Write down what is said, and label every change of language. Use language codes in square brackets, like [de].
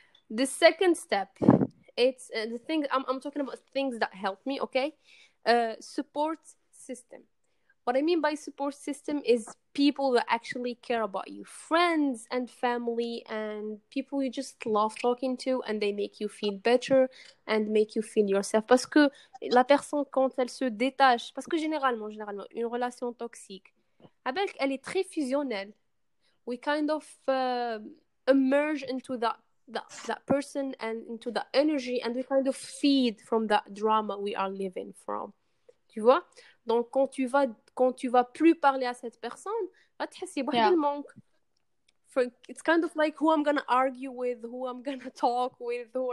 [en] The second step, it's the thing I'm talking about, things that help me. Okay, support system. What I mean by support system is people that actually care about you, friends and family and people you just love talking to, and they make you feel better and make you feel yourself. [fr] Parce que la personne, quand elle se détache, parce que généralement, une relation toxique, avec elle est très fusionnelle. [en] We kind of emerge into that person and into that energy, and we kind of feed from that drama we are living from. [fr] Tu vois? Donc, quand tu vas plus parler à cette personne, [en] it's kind of like who I'm going to argue with, who I'm going to talk with.